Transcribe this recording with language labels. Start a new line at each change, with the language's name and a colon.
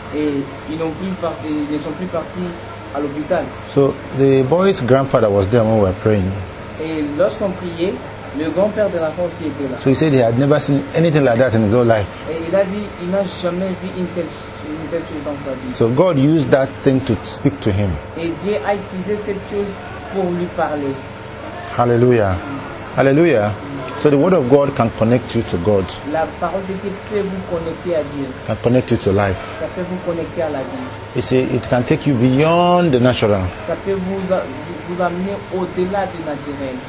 French: Et ils ne sont plus partis à l'hôpital.
English: So the boy's grandfather was there when we were praying.
French: Et lorsqu'on priait, le grand-père de l'enfant aussi était là.
English: So he said he had never seen anything like that in his whole life.
French: Et il a dit il n'a jamais vu une telle chose dans sa vie.
English: So God used that thing to speak to him.
French: Et Dieu a utilisé cette chose pour lui parler.
English: Hallelujah. Hallelujah. So the word of God can connect you to God.
French: La parole de Dieu peut vous connecter à Dieu.
English: Can connect you to life.
French: Ça peut vous connecter à la vie.
English: You see, it can take you beyond the natural.
French: Ça peut vous amener au-delà du naturel.